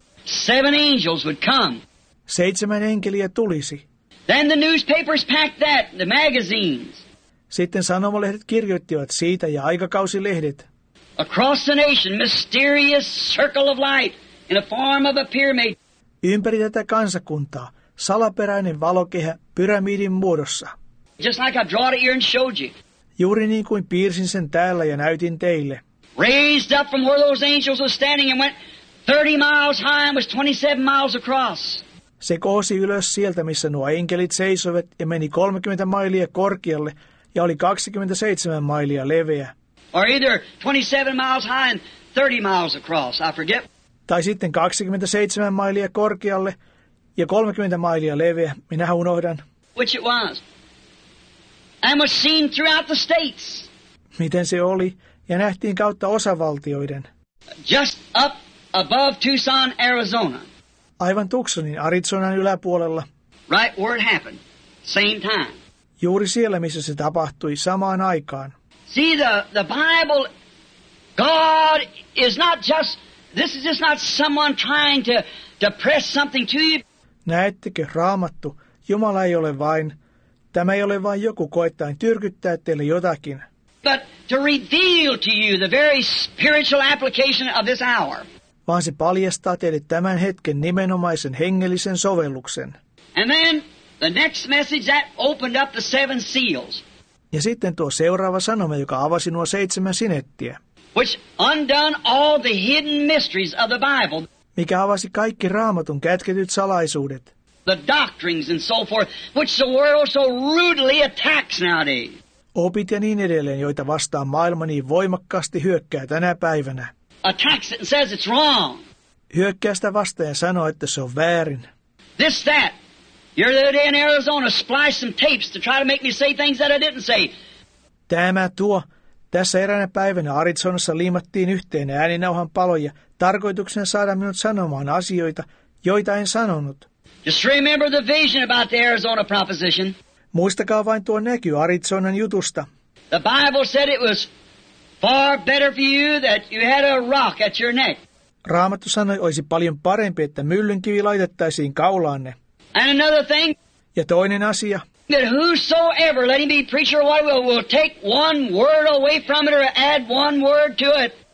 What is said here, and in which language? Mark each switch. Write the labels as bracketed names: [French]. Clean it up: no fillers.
[English] Seven angels would come. [Finnish] Seitsemän enkeliä tulisi. [English] Then the newspapers packed that, the magazines. [Finnish] Sitten sanomalehdet kirjoittivat siitä ja aikakausilehdet. [English] Across the nation, mysterious circle of light in a form of a pyramid. [Finnish] Ympäri tätä kansakuntaa, salaperäinen valokehä pyramidin muodossa. [English] Just like I drew it here and showed you. [Finnish] Juuri niin kuin piirsin sen täällä ja näytin teille. [English] Raised up from where those angels were standing and went 30 miles high and was 27 miles across. [Finnish] Se kohosi ylös sieltä, missä nuo enkelit seisovat ja meni 30 mailia korkealle ja oli 27 mailia leveä. [English] Or either 27 miles high and 30 miles across, I forget. [Finnish] Tai sitten 27 mailia korkealle ja 30 mailia leveä, minä unohdan. [English] Which it was. And was seen throughout the states. [Finnish] Miten se oli ja nähtiin kautta osavaltioiden. [English] Just up above Tucson, Arizona. [Finnish] Aivan Tucsonin, Arizonan yläpuolella. [English] Right where it happened. Same time. [Finnish] Juuri siellä, missä se tapahtui, samaan aikaan. [English] See, the Bible, God is not just, this is just not someone trying to press something to you. [Finnish] Näettekö, Raamattu, Jumala ei ole vain, tämä ei ole vain joku koettaen tyrkyttää teille jotakin. [English] But to reveal to you the very spiritual application of this hour. [Finnish] Vaan se paljastaa teille tämän hetken nimenomaisen hengellisen sovelluksen. [English] And then the next message that opened up the seven seals. [Finnish] Ja sitten tuo seuraava sanoma, joka avasi nuo seitsemän sinettiä. [English] Which undone all the hidden mysteries of the Bible. [Finnish] Mikä avasi kaikki Raamatun kätketyt salaisuudet. [English] The doctrines and so forth, which the world so rudely attacks nowadays. [Finnish] Opit ja niin edelleen, joita vastaan maailma niin voimakkaasti hyökkää tänä päivänä. [English] Attacks it and says it's wrong. [Finnish] Hyökkää sitä vastaan ja sanoo, että se on väärin. [English] This, that. You're there in Arizona, splice some tapes to try to make me say things that I didn't say. [Finnish] Tämä tuo. Tässä eräänä päivänä Arizonassa liimattiin yhteen ääninauhan paloja, tarkoituksena saada minut sanomaan asioita, joita en sanonut. [English] Just remember the vision about the Arizona proposition. [Finnish] Muistakaa vain tuo näky Arizonan jutusta. [English] The Bible said it was far better for you that you had a rock at your neck. [Finnish] Raamattu sanoi, olisi paljon parempi, että myllynkivi laitettaisiin kaulaanne. [English] And another thing. [Finnish] Ja toinen asia. [English] That whosoever, let him be preacher or whatever, will take one word away from it or add one word to it.